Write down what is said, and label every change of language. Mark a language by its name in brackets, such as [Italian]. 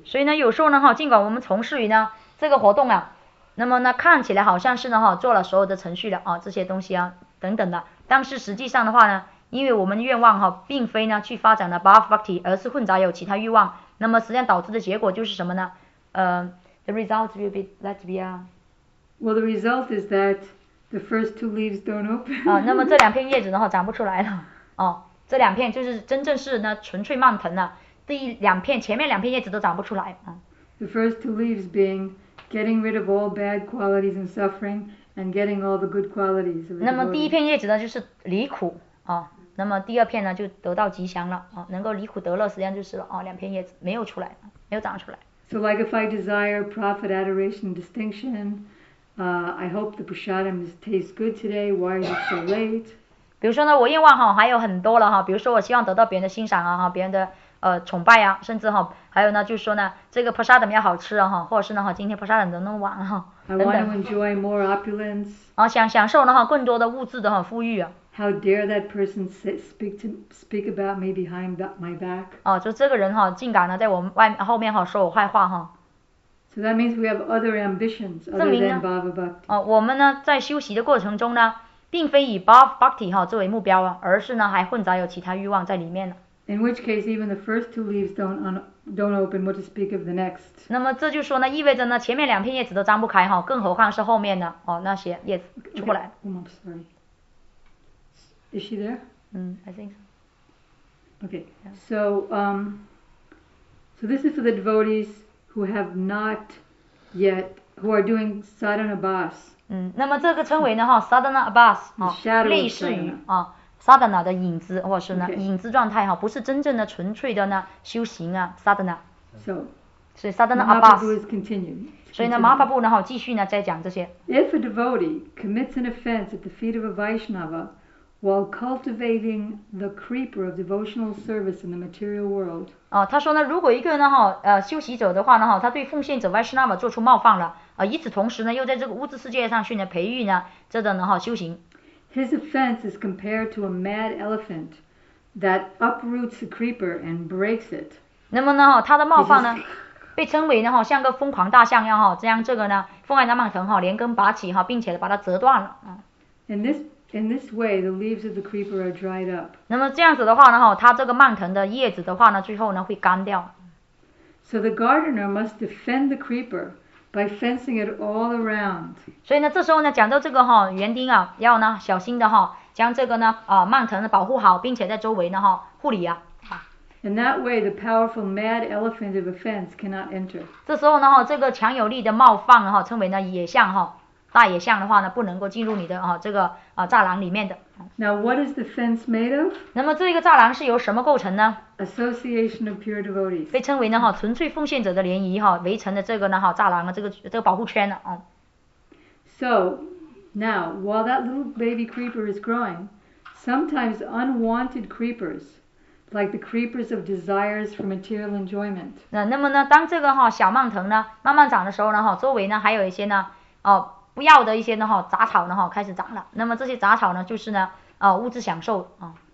[Chinese] 所以呢，有时候呢哈，尽管我们从事于呢这个活动啊，那么呢看起来好像是呢哈做了所有的程序了啊这些东西啊等等的，但是实际上的话呢，因为我们的愿望哈、啊、并非呢去发展的 bhava bhakti， 而是混杂有其他欲望，那么实际上导致的结果就是什么呢？ [English] The result will be that we are. Well, the result is that the first two leaves don't open. [Chinese] 啊，那么这两片叶子呢哈长不出来了哦。这两片就是真正是呢纯粹蔓藤了，第一两片前面两片叶子都长不出来、嗯、 [English] The first two leaves being getting rid of all bad qualities and suffering and getting all the good qualities. [Chinese] 那么第一片叶子呢就是离苦啊，那么第二片呢就得到吉祥了啊，能够离苦得乐，实际上就是啊两片叶子没有出来，没有长出来。 [English] So like if I desire profit, adoration, distinction, I hope the prasadam tastes good today. Why is it so late? [Chinese] 比如说呢，我愿望哈还有很多了哈，比如说我希望得到别人的欣赏啊哈，别人的崇拜啊，甚至哈还有呢，就是说呢，这个 prasadam 要好吃啊哈，或者是呢哈今天 prasadam 能不能晚哈，等等。 [English] I want to enjoy more opulence. [Chinese] 啊，想享受呢哈更多的物质的哈富裕啊。 [English] How dare that person speak about me behind my back? [Chinese] 啊，就这个人哈，竟敢呢在我外面后面哈说我坏话哈。 [English] So that means we have other ambitions other than bhava bhakti. [Chinese] 啊，我们呢在修习的过程中呢。并非以 bhava bhakti 哈作为目标啊，而是呢还混杂有其他欲望在里面呢。 [English] In which case, even the first two leaves don't open, what to speak of the next? [Chinese] 那么这就说呢，意味着呢前面两片叶子都张不开哈，更何况是后面呢哦那些叶子出不来。 [English] Okay. I'm sorry. Is she there? I think. Okay. So so this is for the devotees who have not yet who are doing sadhana bhas. [Chinese] 嗯、那么这个称为呢哈 ，sadhana abhas 啊，类似于啊 ，sadhana 的影子，或者是呢、 [English] okay. [Chinese] 影子状态哈、啊，不是真正的纯粹的呢修行啊 ，sadhana。 [English] So, [Chinese] 所以 sadhana abhas。 [English] Continue, [Chinese] 所以呢，马法布呢哈继续呢再讲这些。 [English] If a devotee commits an offense at the feet of a Vaishnava while cultivating the creeper of devotional service in the material world， [Chinese] 啊，他说呢，如果一个呢哈修习者的话呢哈，他对奉献者 Vaishnava 做出冒犯了。与此同时呢又在这个物质世界上去呢培育呢这种呢哈修行。 [English] His offense is compared to a mad elephant that uproots a creeper and breaks it. [Chinese] 那么呢哈他的冒犯呢被称为呢哈像个疯狂大象一样哈，这样这个呢疯狂大蟒蛇哈连根拔起哈，并且把它折断了。 [English] In this way, the leaves of the creeper are dried up. [Chinese] 那么这样子的话呢哈，他这个蟒蛇的叶子的话呢最后呢会干掉。 [English] So the gardener must defend the creeper. By fencing it all around. [Chinese] 所以呢，这时候呢，讲到这个哈，园丁啊，要呢小心的哈，将这个呢蔓藤保护好，并且在周围呢哈护理啊。 [English] In that way, the powerful mad elephant of offense cannot enter. [Chinese] 这时候呢哈，这个强有力的冒犯哈，称为呢野象哈，大野象的话呢，不能够进入你的啊这个啊栅栏里面的。 [English] Now, what is the fence made of? [Chinese] 那么这个栅栏是由什么构成呢？ [English] Association of pure devotees. [Chinese] 被称为呢哈纯粹奉献者的联谊哈，围成的这个呢哈栅栏啊，这个保护圈呢啊。 [English] So, now while that little baby creeper is growing, sometimes unwanted creepers, like the creepers of desires for material enjoyment. [Chinese] 那么呢，当这个哈小蔓藤呢慢慢长的时候呢哈，周围呢还有一些呢哦。不要的一些呢哈杂草呢哈开始长了，那么这些杂草呢就是呢物质享受啊。